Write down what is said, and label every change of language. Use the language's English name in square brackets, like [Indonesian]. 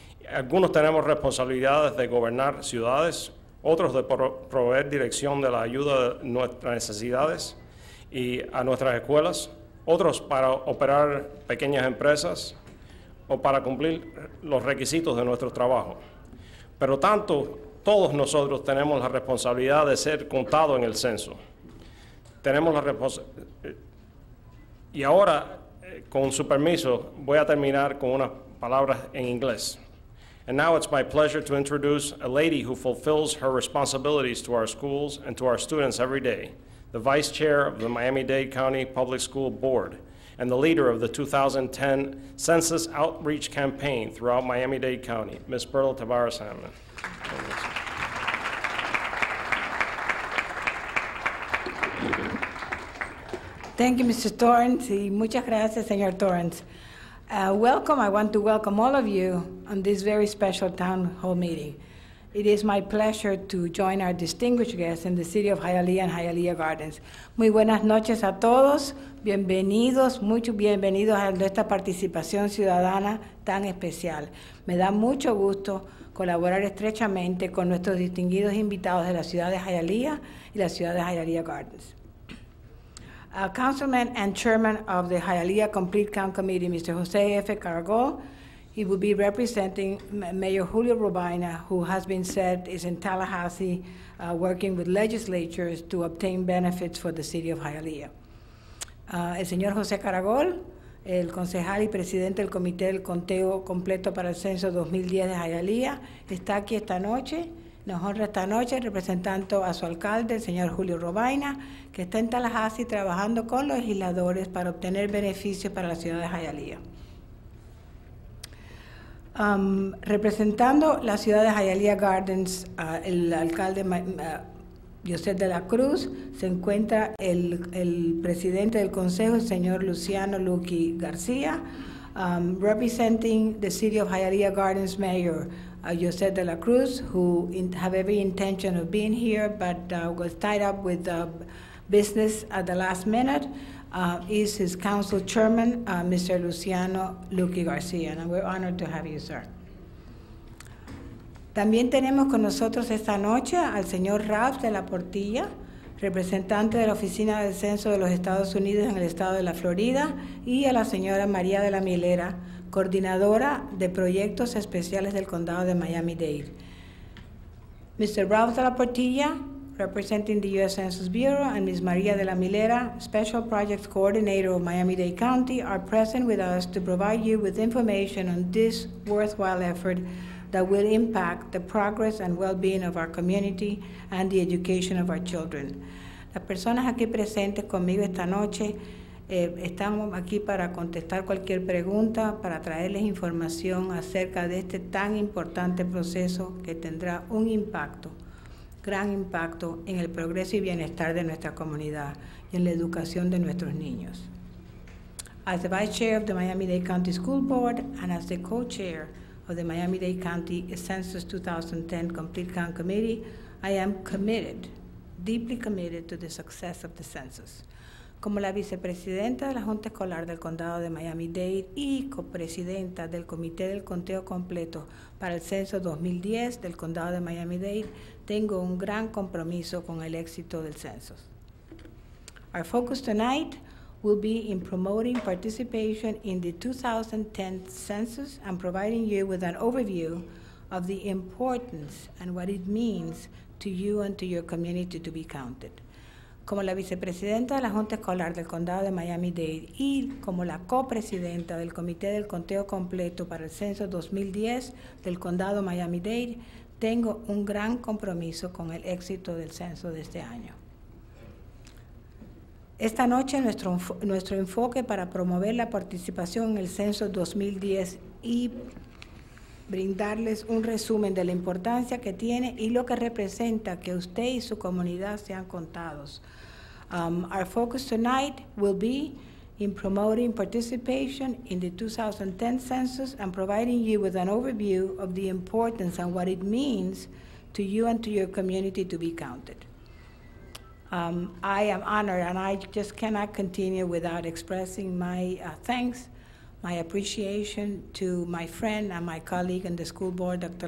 [Spanish] Algunos tenemos responsabilidades de gobernar ciudades, otros de proveer dirección de la ayuda de nuestras necesidades y a nuestras escuelas, otros para operar pequeñas empresas o para cumplir los requisitos de nuestro trabajo. Pero tanto, todos nosotros tenemos la responsabilidad de ser contado en el censo. Tenemos la responsabilidad. Y ahora, con su permiso, voy a terminar con unas palabras en inglés. [English] And now it's my pleasure to introduce a lady who fulfills her responsibilities to our schools and to our students every day, the vice chair of the Miami-Dade County Public School Board and the leader of the 2010 census outreach campaign throughout Miami-Dade County, Ms. Perla Tabares Hantman. Thank you, Mr. Torrance, [Spanish] y muchas gracias, señor Torrance. [English] Welcome, I want to welcome all of you on this very special town hall meeting. It is my pleasure to join our distinguished guests in the city of Hialeah and Hialeah Gardens. [Spanish] Muy buenas noches a todos. Bienvenidos, muchos bienvenidos a esta participación ciudadana tan especial. Me da mucho gusto colaborar estrechamente con nuestros distinguidos invitados de la ciudad de Hialeah y la ciudad de Hialeah Gardens. [English] Councilman and Chairman of the Hialeah Complete Count Committee, Mr. Jose F. Cargo. He will be representing Mayor Julio Robaina, who has been said is in Tallahassee working with legislatures to obtain benefits for the city of Hialeah. [Spanish] El señor José Caragol, el concejal y presidente del Comité del Conteo Completo para el Censo 2010 de Hialeah, está aquí esta noche. Nos honra esta noche representando a su alcalde, el señor Julio Robaina, que está en Tallahassee trabajando con los legisladores para obtener beneficios para la ciudad de Hialeah. Representando la ciudad de Hialeah Gardens, el alcalde Yioset de la Cruz, se encuentra el presidente del consejo, el señor Luciano Luqui García. [English] Representing the city of Hialeah Gardens mayor, Yioset de la Cruz, who have every intention of being here, but was tied up with business at the last minute. Is his council chairman, Mr. Luciano Luqui García, and we're honored to have you, sir. [Spanish] También tenemos con nosotros esta noche al señor Ralph de la Portilla, representante de la Oficina del Censo de los Estados Unidos en el estado de la Florida, y a la señora María de la Milera, coordinadora de proyectos especiales del condado de Miami-Dade. [English] Mr. Ralph de la Portilla, representing the U.S. Census Bureau, and Ms. Maria de la Milera, Special Projects Coordinator of Miami-Dade County, are present with us to provide you with information on this worthwhile effort that will impact the progress and well-being of our community and the education of our children. [Spanish] Las personas aquí presentes conmigo esta noche estamos aquí para contestar cualquier pregunta, para traerles información acerca de este tan importante proceso que tendrá un impacto, gran impacto en el progreso y bienestar de nuestra comunidad y en la educación de nuestros niños. [English] As the Vice Chair of the Miami-Dade County School Board and as the Co-Chair of the Miami-Dade County Census 2010 Complete Count Committee, I am committed, deeply committed to the success of the census. [Spanish] como la vicepresidenta de la Junta Escolar del Condado de Miami-Dade y copresidenta del Comité del Conteo Completo para el Censo 2010 del Condado de Miami-Dade, tengo un gran compromiso con el éxito del Censo. [English] Our focus tonight will be in promoting participation in the 2010 Census and providing you with an overview of the importance and what it means to you and to your community to be counted. [Spanish] Como la vicepresidenta de la Junta Escolar del Condado de Miami-Dade y como la copresidenta del Comité del Conteo Completo para el Censo 2010 del Condado Miami-Dade, tengo un gran compromiso con el éxito del censo de este año. Esta noche nuestro enfoque para promover la participación en el Censo 2010 y brindarles un resumen de la importancia que tiene y lo que representa que usted y su comunidad sean contados. [English] Our focus tonight will be in promoting participation in the 2010 census and providing you with an overview of the importance and what it means to you and to your community to be counted. I am honored and I just cannot continue without expressing my thanks, my appreciation to my friend and my colleague on the school board, Dr.